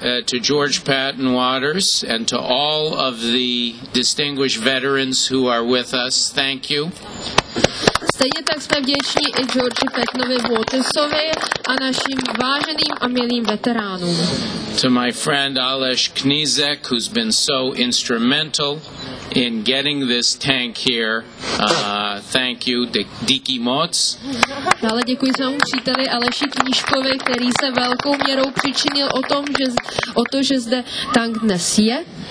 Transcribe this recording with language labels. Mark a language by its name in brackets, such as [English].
[English] To George Patton Waters and to all of the distinguished veterans who are with us. Thank you. [Czech] Stejně tak jsme vděční i George Pattonovi Watersovi a našim váženým a milým veteránům. [English] To my friend Aleš Knízek, who's been so instrumental in getting this tank here. Thank you, [Czech] díky moc. Dále děkuji svému příteli Aleši Knížkovi, který se velkou měrou přičinil o to, že zde tank dnes je.